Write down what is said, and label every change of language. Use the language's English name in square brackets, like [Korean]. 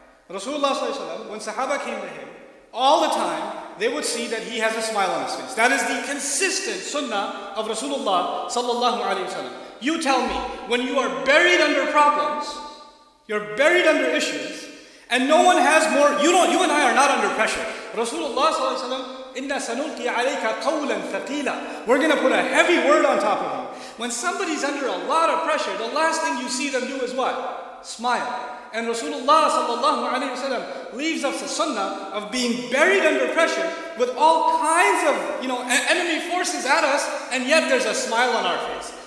[English] Rasulullah ﷺ, when Sahaba came to him, all the time, they would see that he has a smile on his face. That is the consistent sunnah of Rasulullah ﷺ. You tell me, when you are buried under problems, you're buried under issues, and no one has more, you and I are not under pressure. [Arabic] Rasulullah ﷺ, إِنَّا سَنُلْقِي عَلَيْكَ قَوْلًا ثَقِيلًا. [English] We're going to put a heavy word on top of you. When somebody's under a lot of pressure, the last thing you see them do is what? Smile. And Rasulullah sallallahu alayhi wa sallam leaves us a sunnah of being buried under pressure with all kinds of, you know, enemy forces at us, and yet there's a smile on our face.